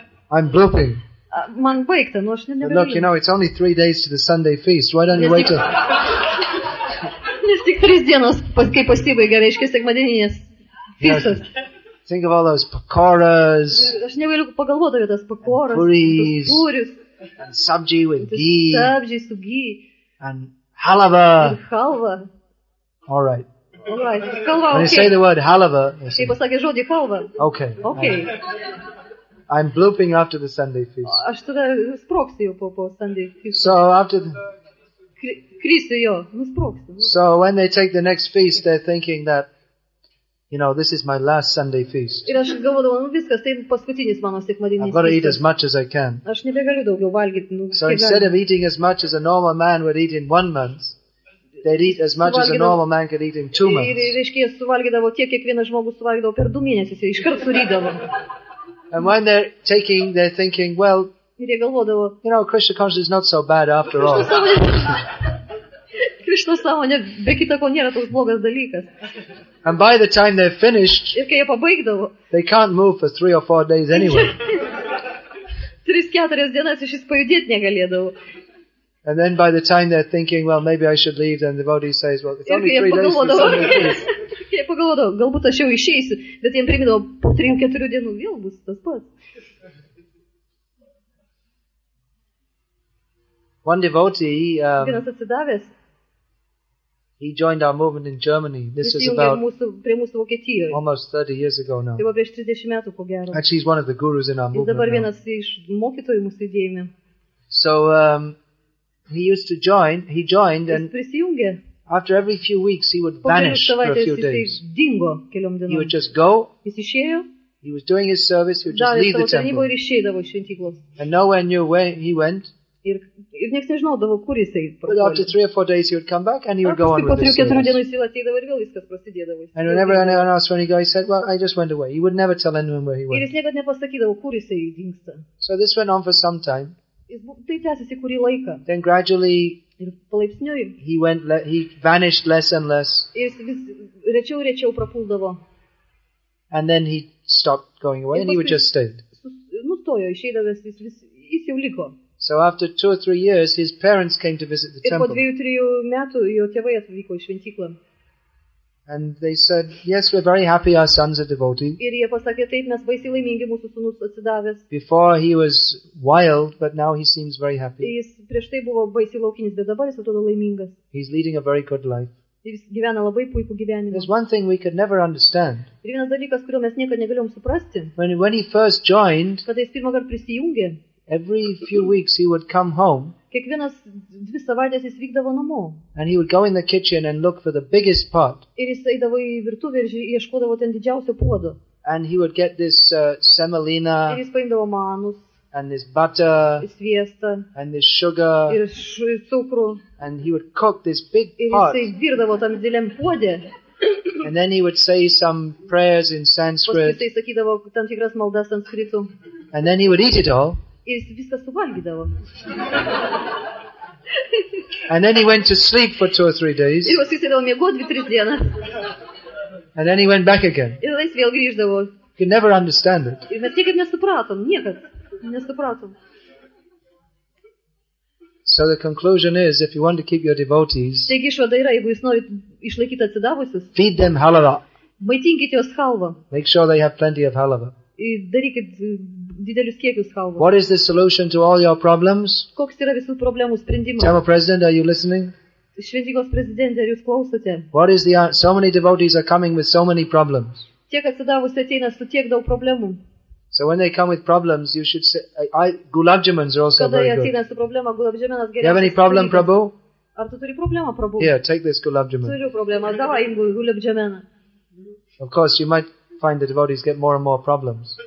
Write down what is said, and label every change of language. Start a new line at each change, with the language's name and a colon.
English: I'm blooping. Look, you know, it's only 3 days to the Sunday feast. Why don't you wait till...
Lithuanian: tris dienos, kai pasibaigė, reiškia, sekmadieninės fiksas.
English: Think of all those pakoras.
Lithuanian: Aš negaliu pagalvoti apie tas pakoras, puris, tos puris.
English: And sabji with ghee.
Lithuanian: Sabji su ghee.
English: And halava.
Lithuanian: Halva.
English: All right. All right. Halva, when You say the word halava,
Lithuanian: kai pasakė žodį halva.
English: Okay. Okay. I'm blooping after the Sunday feast.
Lithuanian: Aš tada sproksiu jau po
English: Sunday feast. So after the...
Lithuanian: Krisiu jo, nusproksiu.
English: So when they take the next feast, they're thinking that, you know, this is my last Sunday feast.
Lithuanian: Ir aš galvodavau, nu viskas, tai paskutinis mano sekmadieninis.
English: I've got to eat as much as I can.
Lithuanian: Aš nebegaliu daugiau valgyti.
English: So instead of eating as much as a normal man would eat in 1 month, they'd eat as much as a normal man could eat in 2 months.
Lithuanian: Ir reiškia, suvalgydavo tiek, kiek vienas žmogus suvalgydavo per 2 mėnesius, ir iškart surydavo.
English: And when they're taking, they're thinking, well, you know, Krishna consciousness is not so bad after all.
Lithuanian: Krishna sąmonė, be kita ko, nėra toks blogas dalykas.
English: And by the time they're finished,
Lithuanian: ir kai jie pabaigdavo,
English: they can't move for 3 or 4 days anyway.
Lithuanian: 3-4 dienas iš jis pajudėti negalėdavo.
English: And then by the time they're thinking, well, maybe I should leave, then the devotee says, well, it's only 3 days for Sunday feast.
Lithuanian: Jie pagalvodavo, galbūt aš jau išeisiu, bet jiems primindavo, po 3-4 dienų vėl bus tas pats.
English: One devotee,
Lithuanian: vienas atsidavęs,
English: he joined our movement in Germany. This is about
Lithuanian: prie mūsų Vokietijoje.
English: Almost 30 years ago now.
Lithuanian: Tai buvo prieš 30 metų, ko gero.
English: Actually, he's one of the gurus in our movement.
Lithuanian: Jis dabar vienas iš mokytojų mūsų judėjime.
English: So, he used to join, he joined and... After every few weeks, he would vanish for a few days.
Lithuanian: Dingo,
English: he would just go.
Lithuanian: Išėjo,
English: he was doing his service. He would just leave the temple.
Lithuanian: Ir išėdavo iš šventyklos.
English: And nowhere knew where he went.
Lithuanian: Ir nieks nežinodavo, kur jisai.
English: But after 3 or 4 days, he would come back and he would go on with his service. And whenever anyone asked where he go, he said, well, I just went away. He would never tell anyone where he went.
Lithuanian: Ir jis niekad nepasakydavo, kur jisai dingsta.
English: So this went on for some time.
Lithuanian: Tai tęsėsi kurį laiką.
English: Then gradually...
Lithuanian: Ir palaipsniui.
English: He vanished less and less.
Lithuanian: Ir vis rečiau ir rečiau prapuldavo.
English: And then he stopped going away and he would just stay.
Lithuanian: Nustojo, išeidavęs, jis jau liko.
English: So after 2 or 3 years, his parents came to visit the temple.
Lithuanian: Ir po 2-3 metų jo tėvai atvyko į šventyklą.
English: And they said, yes, we're very happy our son's a devotee.
Lithuanian: Ir jie pasakė, taip, mes baisiai laimingi, mūsų sūnus atsidavęs.
English: Before he was wild, but now he seems very happy.
Lithuanian: Jis prieš tai buvo baisiai laukinis, bet dabar jis atrodo laimingas.
English: He's leading a very good life.
Lithuanian: Jis gyvena labai puikų gyvenimą.
English: There's one thing we could never understand.
Lithuanian: Ir vienas dalykas, kurio mes niekad negalėjom suprasti.
English: When he first joined,
Lithuanian: kada jis pirmą kartą prisijungė,
English: every few weeks he would come home.
Lithuanian: Kiekvienas 2 savaites jis vykdavo namo.
English: And he would go in the kitchen and look for the biggest pot.
Lithuanian: Ir jis eidavo į virtuvę ir ieškodavo ten didžiausio puodo.
English: And he would get this semolina.
Lithuanian: Ir jis paimdavo manus.
English: And this butter.
Lithuanian: Ir sviestą.
English: And this sugar.
Lithuanian: Ir cukrų.
English: And he would cook this big
Lithuanian: pot. Ir jis virdavo tam dideliam puode.
English: And then he would say some prayers in Sanskrit.
Lithuanian: Paskui jis sakydavo tam tikras maldas sanskritu.
English: And then he would eat it all.
Lithuanian: Ir jis viską suvalgydavo.
English: And then he went to sleep for 2 or 3 days.
Lithuanian: Ir jis eidavo miegoti 2-3 dienas.
English: And then he went back again.
Lithuanian: Ir jis vėl grįždavo.
English: You could never understand it.
Lithuanian: Ir mes niekad nesupratom, niekad nesupratom.
English: So the conclusion is, if you want to keep your devotees,
Lithuanian: taigi išvada yra, jeigu jūs norit išlaikyti atsidavusius,
English: feed them halava.
Lithuanian: Maitinkite juos halva.
English: Make sure they have plenty of halava.
Lithuanian: Darykit didelius kiekius halvos.
English: What is the solution to all your problems?
Lithuanian: Koks yra visų problemų sprendimas?
English: Temple president, are you listening?
Lithuanian: Šventyklos prezidente, ar jūs klausote?
English: What is the answer? So many devotees are coming with so many problems.
Lithuanian: Tiek atsidavusių ateina su tiek daug problemų.
English: So when they come with problems, you should say, gulabjamans are also
Lithuanian: kada
English: very good.
Lithuanian: Kada jie ateina su problema, gulabjamanas geriausias.
English: Do you have any problem, Prabhu?
Lithuanian: Ar tu turi problemą, Prabhu?
English: Yeah, take this gulabjaman.
Lithuanian: Turiu problemą, davai jim gulabjamaną.
English: Of course, you might find the devotees get more and more problems.